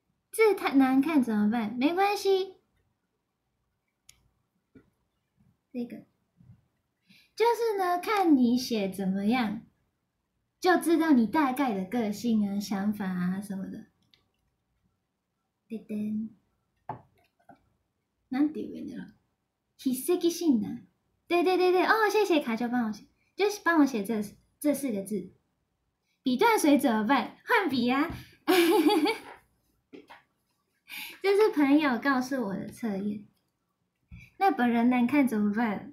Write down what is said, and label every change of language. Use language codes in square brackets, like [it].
[zh] 字太难看怎么办？没关系，这个就是呢，看你写怎么样，就知道你大概的个性啊、想法啊什么的。 [ja] 噔噔，なんて言うんだろう？筆跡診断。 [zh] 对对对对，哦，谢谢卡丘帮我写，就是帮我写这四个字。笔断水怎么办？换笔呀、啊。这是朋友告诉我的测验，那本人难看怎么办？